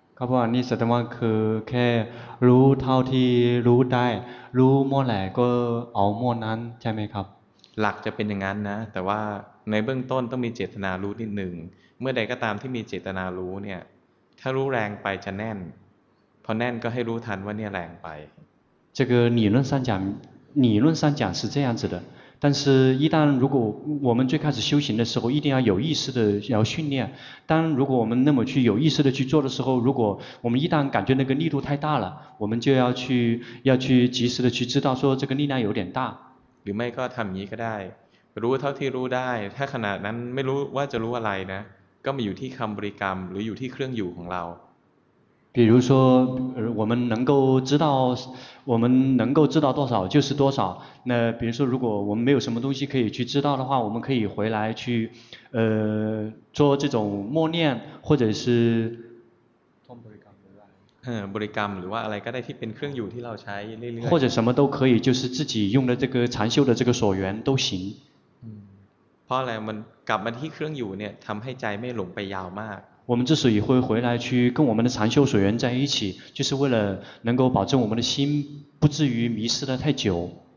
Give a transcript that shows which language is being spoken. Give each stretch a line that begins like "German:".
Thai: ครับผมนี่แสดงว่าคือแค่รู้เท่าที่รู้ได้รู้เมื่อไหร่ก็เอาเมื่อนั้นใช่ไหมครับ หลักจะเป็นอย่างนั้นนะแต่ว่าในเบื้องต้นต้องมีเจตนารู้นิดหนึ่งเมื่อใดก็ตามที่มีเจตนารู้เนี่ยถ้ารู้แรงไปจะแน่นพอแน่นก็ให้รู้ทันว่าเนี่ยแรงไป
Chinese: 这个理论上讲是这样子的，但是一旦如果我们最开始修行的时候，一定要有意识的要训练。当如果我们那么去有意识的去做的时候，如果我们一旦感觉那个力度太大了，我们就要去及时的去知道说这个力量有点大。
Thai: หรือไม่ก็ทำนี้ก็ได้รู้เท่าที่รู้ได้ถ้าขณะนั้นไม่รู้ว่าจะรู้อะไรนะก็มาอยู่ที่คำบริกรรมหรืออยู่ที่เครื่องอยู่ของเรา
Chinese: 比如说我们能够知道多少就是多少，那比如说如果我们没有什么东西可以去知道的话，我们可以回来去做这种默念，或者是
Thai: บริกรรมหรือว่าอะไรก็ได้ที่เป็นเครื่องอยู่ที่เราใช้เรื่อยๆ
Chinese: 或者什么都可以，就是自己用的这个禅修的这个所缘都行。
Thai: เพราะอะไรมันกลับมาที่เครื่องอยู่เนี่ยทำให้ใจไม่หลงไปยาวมาก
Chinese: 我们之所以会回来去跟我们的禅修所缘在一起，就是为了能够保证我们的心不至于迷失了太久。